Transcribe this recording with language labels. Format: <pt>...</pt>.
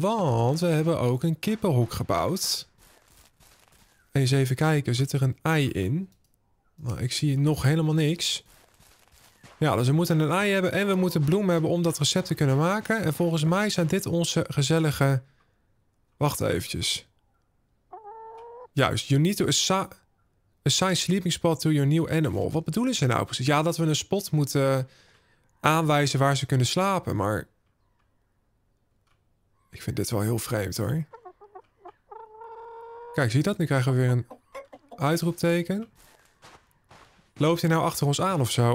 <nl>Want we hebben ook een kippenhok gebouwd. Eens even kijken. Zit er een ei in? Nou, ik zie nog helemaal niks. Ja, dus we moeten een ei hebben en we moeten bloem hebben om dat recept te kunnen maken. En volgens mij zijn dit onze gezellige... Wacht eventjes.</nl> <en>Juist, you need to assign sleeping spot to your new animal.</en> <nl>Wat bedoelen ze nou precies? Ja, dat we een spot moeten aanwijzen waar ze kunnen slapen, maar... Ik vind dit wel heel vreemd hoor. Kijk, zie je dat? Nu krijgen we weer een uitroepteken. Loopt hij nou achter ons aan of zo?</nl>